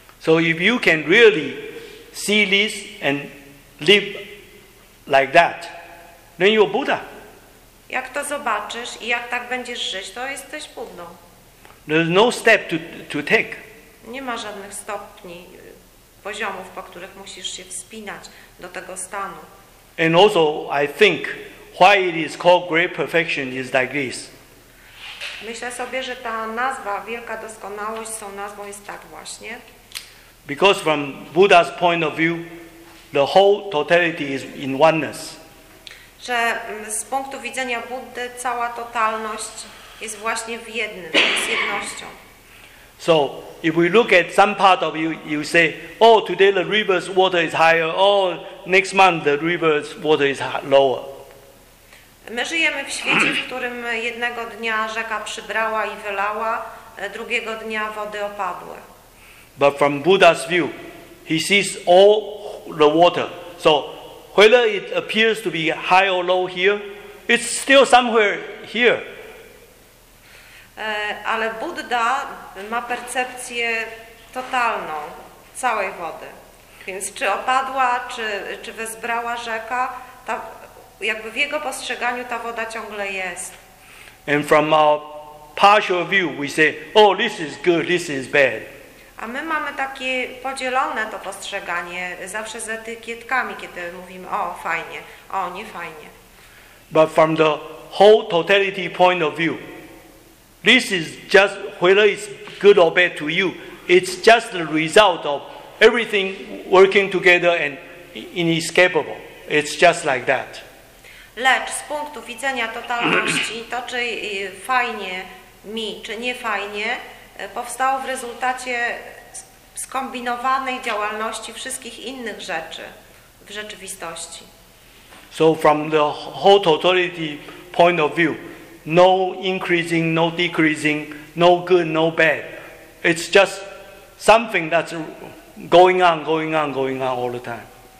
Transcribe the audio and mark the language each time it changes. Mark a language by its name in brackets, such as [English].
[English] So if you can really see this and live like that, then you're Buddha. [Polish] Jak to zobaczysz i jak tak będziesz żyć, to jesteś Buddą. [English] There's no step to take. [Polish] Nie ma żadnych stopni, poziomów, po których musisz się wspinać do tego stanu. [English] And also I think why it is called great perfection is like this. [Polish] Myślę sobie, że ta nazwa wielka doskonałość tą nazwą jest tak właśnie. [English] Because from Buddha's point of view, the whole totality is in oneness. [Polish] Że z punktu widzenia Buddy cała totalność jest właśnie w jednym, jest jednością. [English] So, if we look at some part of you, you say, oh, today the river's water is higher, oh, next month the river's water is lower. [Polish] My żyjemy w świecie, w którym jednego dnia rzeka przybrała i wylała, drugiego dnia wody opadły. [English] But from Buddha's view, he sees all the water. So whether it appears to be high or low here, it's still somewhere here. [Polish] Ale Buddha ma percepcję totalną całej wody. Więc czy opadła, czy wezbrała rzeka, ta jakby w jego postrzeganiu ta woda ciągle jest. [English] And from our partial view we say, oh, this is good, this is bad. [Polish] A my mamy takie podzielone to postrzeganie, zawsze z etykietkami, kiedy mówimy, o, fajnie, o, nie fajnie. [English] But from the whole totality point of view, this is just, whether it's good or bad to you, it's just the result of everything working together and inescapable. It's just like that. [Polish] Lecz z punktu widzenia totalności, to czy fajnie mi, czy nie fajnie, powstało w rezultacie skombinowanej działalności wszystkich innych rzeczy w rzeczywistości. [English] So from the whole totality point of view, no increasing, no decreasing, no good, no bad. It's just something that's going on, going on, going on all the time.